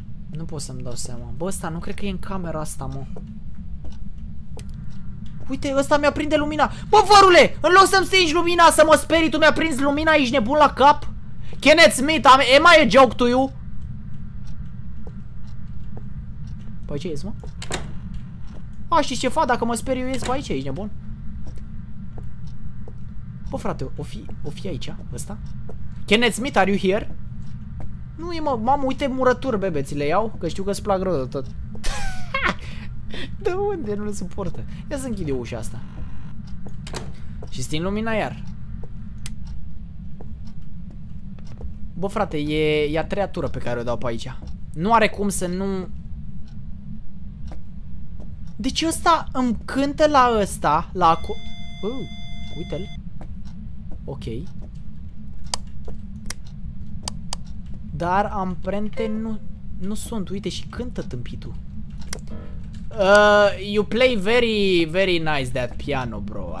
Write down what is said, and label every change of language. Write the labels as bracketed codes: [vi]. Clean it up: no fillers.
[ro] Nu pot să-mi dau seama. Bă, ăsta nu cred că e în camera asta, mă. Uite, ăsta mi-a prinde lumina. Bă, vărule, în loc să-mi stingi lumina, să mă sperii, tu mi-a prins lumina, ești nebun la cap? [en] Kenneth Smith, am I a joke to you? [ro] Pe aici ies, mă? A, știi ce fac? Dacă mă sper, eu ies pe aici, ești nebun? Bă, frate, o fi aici, ăsta? [en] Kenneth Smith, are you here? [ro] Nu e, mă, mamă, uite murături, bebe, ți le iau? Că știu că îți plac rău de tot. De unde? Nu le suportă. Ia să închid eu ușa asta. Și stin lumina iar. Bă, frate, e a treia tură pe care o dau pe aici. Nu are cum să nu... Deci ăsta îmi cântă la ăsta, la acu... uite-l. Ok. Dar amprente nu sunt, uite, și cântă tâmpitul. [en] You play very, very nice that piano, bro.